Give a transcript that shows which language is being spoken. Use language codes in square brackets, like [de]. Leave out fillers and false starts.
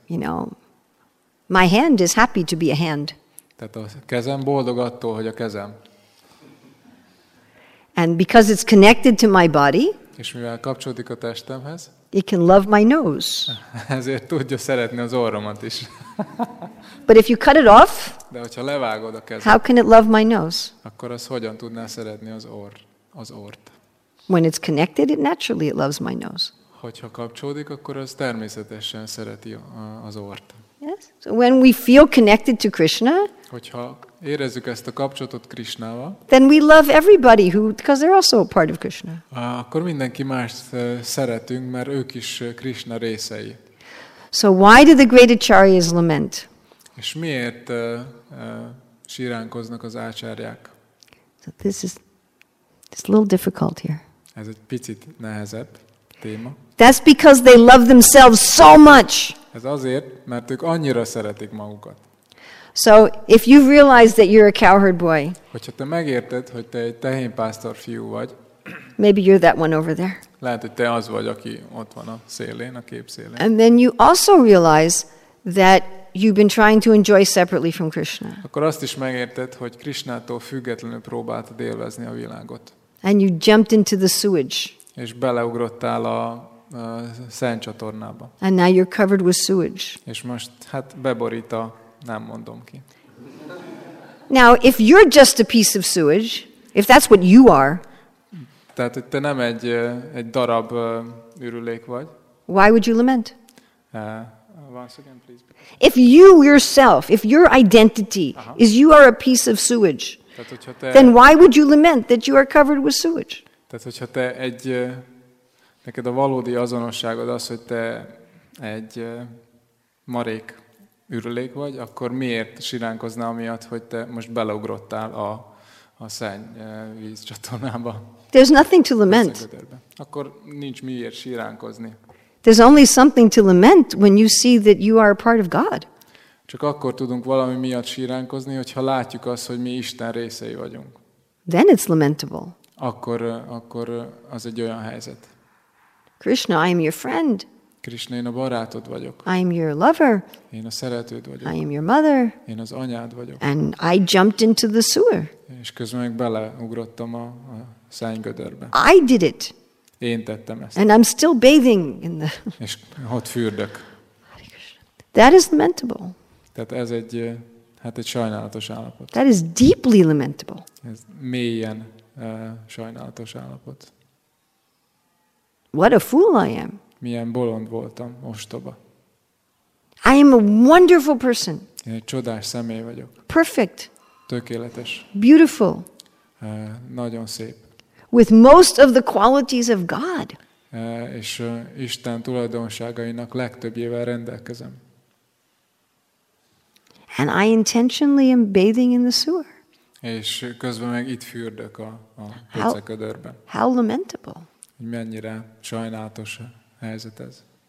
[en] You know, my hand is happy to be a hand. [hu] Tehát a kezem boldog attól, hogy a kezem. [en] And because it's connected to my body. [hu] És mivel kapcsolódik a testemhez. [en] It can love my nose. [hu] Ezért tudja szeretni az orromat is. [en] But if you cut it off. [hu] De hogyha levágod a kezem. [en] How can it love my nose? [hu] Akkor az hogyan tudná szeretni az orrt? [en] When it's connected, it naturally loves my nose. [hu] hogyha kapcsolódik, akkor az természetesen szereti az ort. [en] Yes. So when we feel connected to Krishna, [hu] hogyha érezzük ezt a kapcsolatot Krishnával, [en] then we love everybody who, because they're also a part of Krishna. [hu] Akkor mindenki mást szeretünk, mert ők is Krishna részei. [en] So why do the great acharyas lament? [hu] És miért síránkoznak az ácsárják? [en] So this is a little difficult here. [hu] Ez egy picit nehezebb téma. [en] That's because they love themselves so much. [hu] Ez azért, mert ők annyira szeretik magukat. [en] So if you realize that you're a cowherd boy. [hu] Hogyha te megérted, hogy te egy tehénpásztor fiú vagy. [en] Maybe you're that one over there. [hu] Lehet, hogy te az vagy, aki ott van a szélén, a kép szélén. [en] And then you also realize that you've been trying to enjoy separately from Krishna. [hu] Akkor azt is megérted, hogy Krishnától függetlenül próbáltad élvezni a világot. [en] And you jumped into the sewage. [hu] És beleugrottál a szent csatornába. [en] And now you're covered with sewage. [hu] És most hát beborít a, nem mondom ki. [en] Now if you're just a piece of sewage, if that's what you are. [hu] Tehát te nem egy darab ürülék vagy. [en] Why would you lament? Once again, please. If you yourself, if your identity uh-huh. is you are a piece of sewage. [hu] Tehát, te, [en] then why would you lament that you are covered with sewage? [hu] Tehát, hogyha te egy, neked a valódi azonosságod az, hogy te egy marék ürülék vagy, akkor miért siránkoznál miatt, hogy te most beleugrottál a szenny vízcsatornába? [en] There's nothing to lament. [hu] Akkor nincs miért siránkozni. [en] There's only something to lament when you see that you are a part of God. [hu] Csak akkor tudunk valami miatt síránkozni, hogyha látjuk azt, hogy mi Isten részei vagyunk. [en] Then it's lamentable. [hu] Akkor az egy olyan helyzet. [en] Krishna, I am your friend. [hu] Krishna, én a barátod vagyok. [en] I am your lover. [hu] Én a szeretőd vagyok. [en] I am your mother. [hu] Én az anyád vagyok. [en] And I jumped into the sewer. [hu] És közben meg beleugrottam a szennygödörbe. [en] I did it. [hu] Én tettem ezt. [en] And I'm still bathing in the... [hu] És ott fürdök. [en] That is lamentable. [hu] Tehát ez egy, hát egy sajnálatos állapot. [en] That is deeply lamentable. [hu] Ez mélyen sajnálatos állapot. [en] What a fool I am. [hu] Milyen bolond voltam, ostoba. [en] I am a wonderful person. [hu] Én egy csodás személy vagyok. [en] Perfect. [hu] Tökéletes. [en] Beautiful. [hu] Nagyon szép. [en] With most of the qualities of God. [hu] És Isten tulajdonságainak legtöbbjével rendelkezem. [en] And I intentionally am bathing in the sewer. [hu] És közben meg itt fürdök a pöcseködörben. [en] How lamentable. [hu] Mennyire sajnálatos helyzet ez.